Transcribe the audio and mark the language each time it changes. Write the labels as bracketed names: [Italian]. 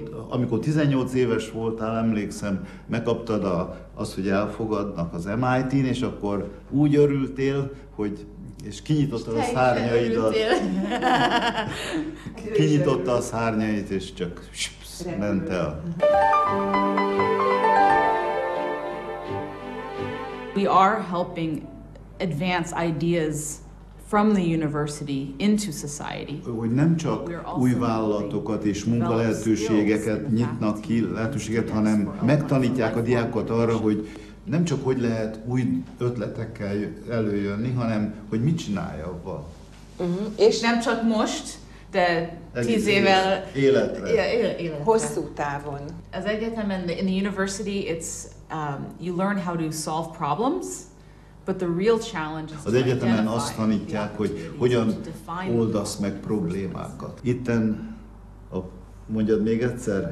[Hungarian] Amikor 18 éves voltál, emlékszem, megkaptad azt, hogy elfogadnak az MIT-n, és akkor úgy örültél, hogy kinyitottad a szárnyaidat. Kinyitotta a szárnyait, és csak ment el. [English] We are helping advance ideas from the university into society. [Hungarian] Hogy nem csak új vállalatokat és munkalehetőségeket nyitnak ki, hanem megtanítják a diákokat arra, hogy nem csak hogy lehet új ötletekkel előjönni, hanem hogy mit csinálja abban. Uh-huh. És nem csak most, de 10 évvel... Életre. Életre. Hosszú távon. Az egyetemen, [English] in the university, it's you learn how to solve problems, but the real challenge is to [Hungarian] Az egyetemen azt tanítják, hogy hogyan oldasz meg problémákat. Itten a mondjad még egyszer?